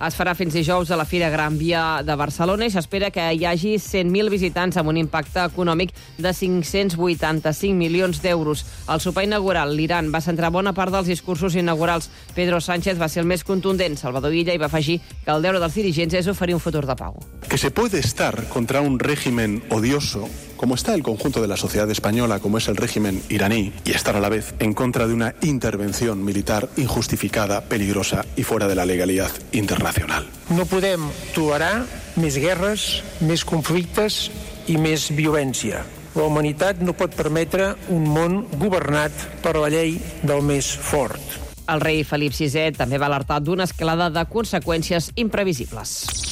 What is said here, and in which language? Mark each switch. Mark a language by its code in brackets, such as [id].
[ca] Es farà fins dijous a la Fira Gran Via de Barcelona i s'espera que hi hagi 100.000 visitants amb un impacte econòmic de 585 milions d'euros. Al sopar inaugural, l'Iran va centrar bona part dels discursos inaugurals. Pedro Sánchez va ser el més contundent. Salvador Illa hi va afegir que el deure dels dirigents és oferir un futur de pau. [es] Que se puede estar contra un régimen odioso como está el conjunto de la sociedad española, como es el régimen iraní, y estar a la vez en contra de una intervención militar injustificada, peligrosa y fuera de la legalidad internacional. [ca] No podem tolerar més guerres, més conflictes i més violència. La humanitat no pot permetre un món governat per la llei del més fort. El rei Felip VI també va alertar d'una escalada de conseqüències imprevisibles.